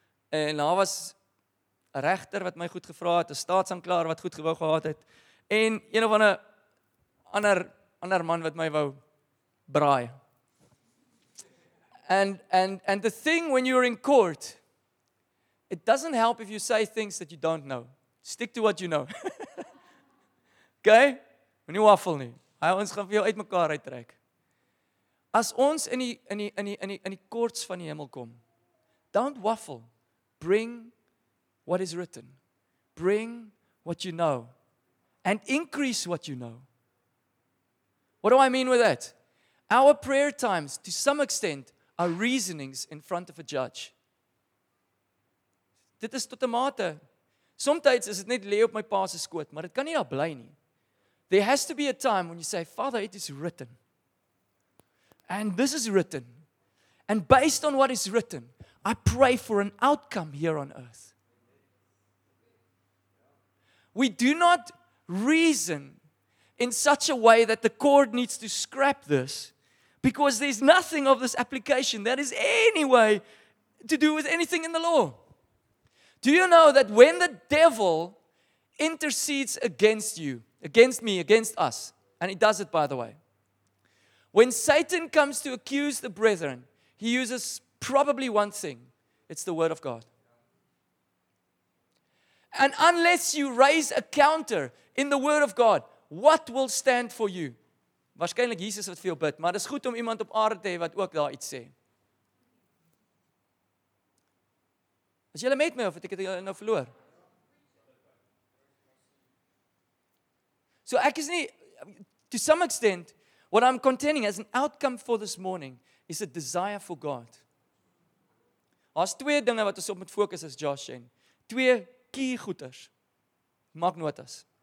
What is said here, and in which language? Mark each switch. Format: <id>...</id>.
<af>En daar was 'n regter wat my goed gevra het, 'n staatsaanklaer wat goed gewou gehad het. En een of ander man wat my wou braai.</af> <en>And the thing when you're in court, it doesn't help if you say things that you don't know. Stick to what you know. Okay?</en> <af>Moenie waffel nie. Hy ons gaan vir jou uitmekaar uittrek. As ons in die courts van die hemel kom,</af> <en>don't waffle. Bring what is written. Bring what you know. And increase what you know. What do I mean with that? Our prayer times, to some extent, are reasonings in front of a judge.</en> <af>Dit is tot 'n mate. Somtyds is dit net lê op my pa se skoot, maar dit kan nie daar bly nie.</af> <en>There has to be a time when you say, Father, it is written. And this is written. And based on what is written, I pray for an outcome here on earth. We do not reason in such a way that the court needs to scrap this because there's nothing of this application that is any way to do with anything in the law. Do you know that when the devil intercedes against you, against me, against us, and he does it by the way, when Satan comes to accuse the brethren, he uses probably one thing. It's the word of God. And unless you raise a counter in the word of God, what will stand for you?</en> <af>Waarskynlik Jesus wat vir jou bid, maar dis goed om iemand op aarde te hê wat ook daar iets sê. Is julle met my of het ek julle nou verloor? So ek is nie,</af> <en>to some extent, what I'm contending as an outcome for this morning is a desire for God.</en> <af>Daar's twee dinge wat ons op moet fokus as Josh Shane. Twee key goeders. Maak notas.</af>